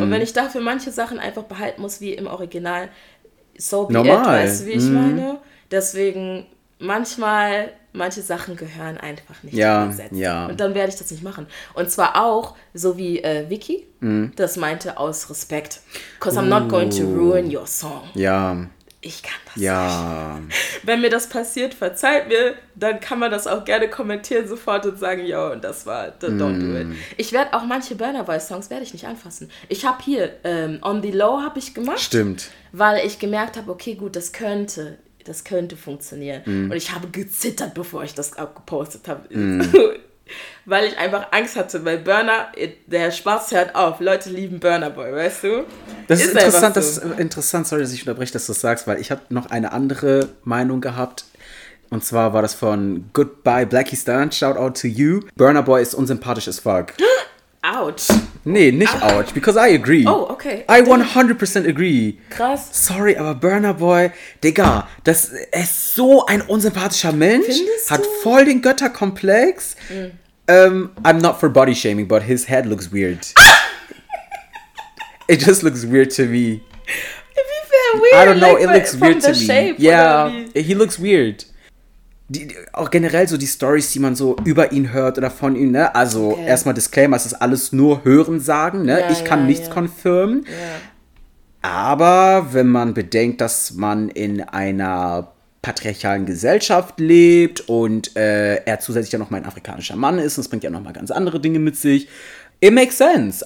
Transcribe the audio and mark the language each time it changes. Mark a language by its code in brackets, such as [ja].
[de] Und wenn ich dafür manche Sachen einfach behalten muss, wie im Original. [en] So be normal. [de] It, weißt du, wie ich meine? Deswegen, manche Sachen gehören einfach nicht übersetzt. Ja. Und dann werde ich das nicht machen. Und zwar auch, so wie Vicky, das meinte, aus Respekt. [en] Because I'm not going to ruin your song. [de] Ja. Ich kann das nicht. Wenn mir das passiert, verzeiht mir, dann kann man das auch gerne kommentieren sofort und sagen, yo, und das war, don't do it. Ich werde auch manche Burna Boy Songs werde ich nicht anfassen. Ich habe hier, On the Low habe ich gemacht. Stimmt. Weil ich gemerkt habe, okay, gut, das könnte funktionieren. Mm. Und ich habe gezittert, bevor ich das gepostet habe. Mm. Weil ich einfach Angst hatte, weil Burna, der Spaß hört auf. Leute lieben Burna Boy, weißt du? Das ist interessant, sorry, dass ich unterbreche, dass du das sagst, weil ich habe noch eine andere Meinung gehabt. Und zwar war das von Goodbye Blackie Stan, shout out to you. Burna Boy ist unsympathisch as fuck. [en] Ouch. [de] Nee, nicht ouch, because I agree. [en] Oh, okay. I 100% agree. [de] Krass. Sorry, aber Burna Boy, Digga, das ist so ein unsympathischer Mensch. Findest hat du? Voll den Götterkomplex. Mm. [en] I'm not for body shaming, but his head looks weird. It just looks weird to me. [de] Inwiefern weird? [en] I don't know, it looks weird to me. Shape, yeah, he looks weird. [de] Auch generell so die Stories, die man so über ihn hört oder von ihm, ne? Also erstmal Disclaimer, es ist alles nur Hörensagen, ne? Ja, ich kann nichts konfirmen. Aber wenn man bedenkt, dass man in einer patriarchalen Gesellschaft lebt und er zusätzlich ja noch mal ein afrikanischer Mann ist, das bringt ja noch mal ganz andere Dinge mit sich. It makes sense.